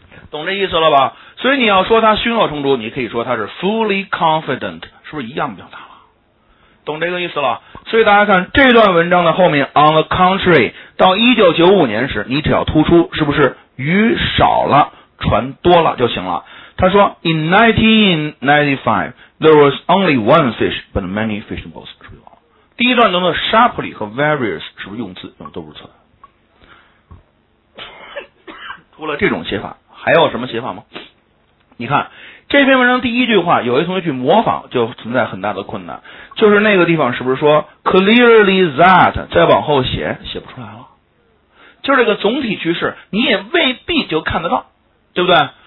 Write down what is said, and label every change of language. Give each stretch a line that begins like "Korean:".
Chinese: 懂这意思了吧？所以你要说他胸有成竹，你可以说他是
English: fully confident，
Chinese: 是不是一样表达了？懂这个意思了？所以大家看这段文章的后面
English: on the contrary
Chinese: 到1995年时，你只要突出是不是鱼少了船多了就行了。他说
English: in 1995 there was only one fish but many fishing boats，
Chinese: 是不是？第一段中的 sharply 和 various 是不是用字用的都不错？除了这种写法还有什么写法吗？你看这篇文章第一句话有一同学去模仿就存在很大的困难，就是那个地方是不是说
English: clearly that，
Chinese: 再往后写写不出来了，就是这个总体趋势你也未必就看得到，对不对？